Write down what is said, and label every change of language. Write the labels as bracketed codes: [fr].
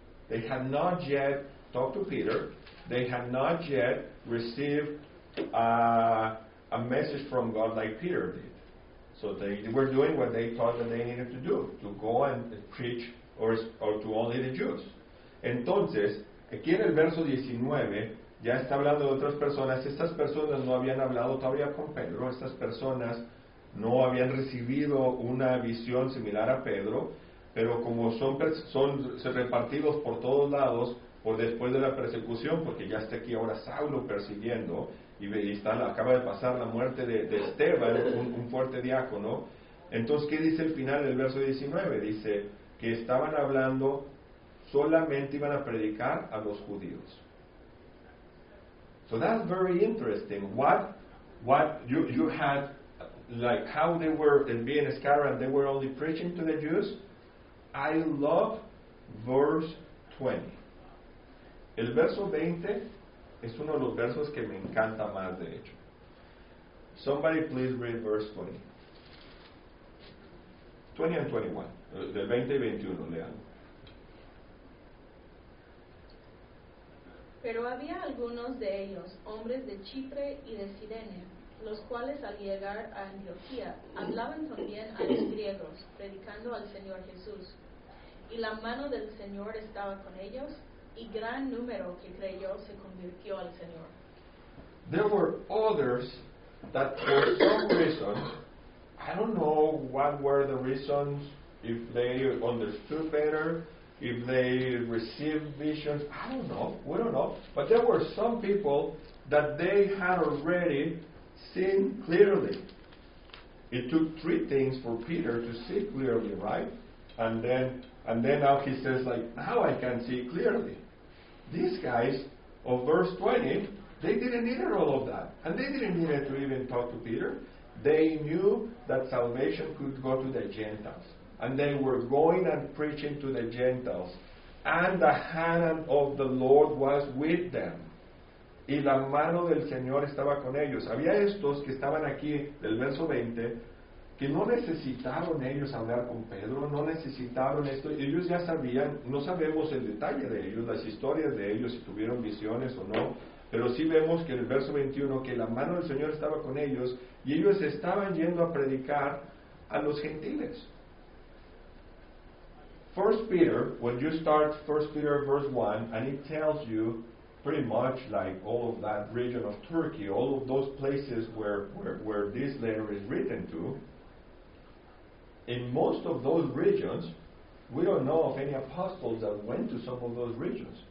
[en] They had not yet talked to Peter. They had not yet received a message from God like Peter did. So they were doing what they thought that they needed to do, to go and preach or to only the Jews. [es] Entonces, aquí en el verso 19, ya está hablando de otras personas. Estas personas no habían hablado todavía con Pedro. Estas personas no habían recibido una visión similar a Pedro. Pero como son repartidos por todos lados, por después de la persecución, porque ya está aquí ahora Saulo persiguiendo, acaba de pasar la muerte de Esteban, un fuerte diácono. Entonces, ¿qué dice el final del verso 19? Dice que estaban hablando, solamente iban a predicar a los judíos. [en] So that's very interesting. What you had, like how they were being scattered and they were only preaching to the Jews. I love verse 20. [es] El verso 20 es uno de los versos que me encanta más, de hecho. [en] Somebody please read verse 20. 20 and 21. [es] Del 20 y 21, lean. Pero había algunos de ellos, hombres de Chipre y de Cirene, los cuales al llegar a Antioquía hablaban también a los griegos, predicando al Señor Jesús. Y la mano del Señor estaba con ellos, y gran número que creyó se convirtió al Señor. [en] There were others that for some reason I don't know what were the reasons, if they understood better, if they received visions, I don't know, we don't know. But there were some people that they had already seen clearly. It took three things for Peter to see clearly, right? And then now he says, like, now I can see clearly. These guys of verse 20, they didn't need all of that. And they didn't need to even talk to Peter. They knew that salvation could go to the Gentiles. And they were going and preaching to the Gentiles. And the hand of the Lord was with them. [es] Y la mano del Señor estaba con ellos. Había estos que estaban aquí, del verso 20, que no necesitaron ellos hablar con Pedro, no necesitaron esto. Ellos ya sabían, no sabemos el detalle de ellos, las historias de ellos, si tuvieron visiones o no. Pero sí vemos que en el verso 21, que la mano del Señor estaba con ellos, y ellos estaban yendo a predicar a los gentiles. [en] 1 Peter, when you start 1 Peter verse 1, and it tells you, pretty much like all of that region of Turkey, all of those places where this letter is written to, in most of those regions, we don't know of any apostles that went to some of those regions.